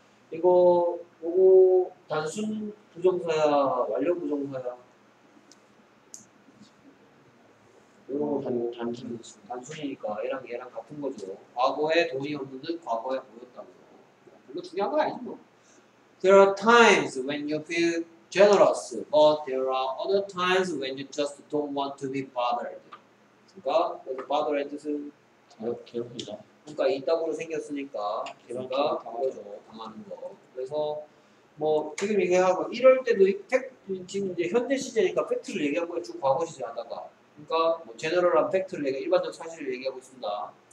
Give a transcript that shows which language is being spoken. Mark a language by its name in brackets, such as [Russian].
[Korean] 이거 요거 단순 부정사야 완료 부정사야? 요거 단순 단순이니까 얘랑 같은거죠. 과거에 돈이 없는 듯 과거에 보였다고. 별로 중요한거 아니지 뭐. [English] There are times when you feel generous, but there are other times when you just don't want to be bothered. [Korean] 그러니까 여기 bothered 뜻은 괴롭히다. 그러니까 이따구로 생겼으니까 그러니까 당하죠. 당하는 거. 그래서 뭐 지금 얘기하고 이럴 때도 지금 이제 현재 시제니까 팩트를 얘기하고 있고 과거 시제 하다가 그러니까 뭐 제너럴한 팩트를 얘기 일반적 사실을 얘기하고 있습니다.